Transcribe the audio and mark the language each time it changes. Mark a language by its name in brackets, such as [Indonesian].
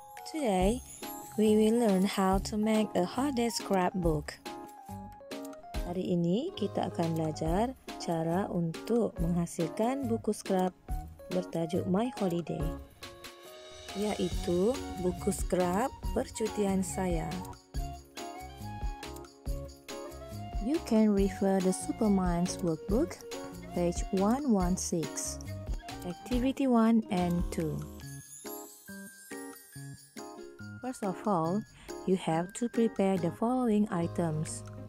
[English] Today, we will learn how to make a holiday scrapbook. [Malay] Hari ini kita akan belajar cara untuk menghasilkan buku scrap bertajuk My Holiday, yaitu buku scrap percutian saya. [English] You can refer the Superman's workbook, page 116, activity 1 and 2. First of all, you have to prepare the following items.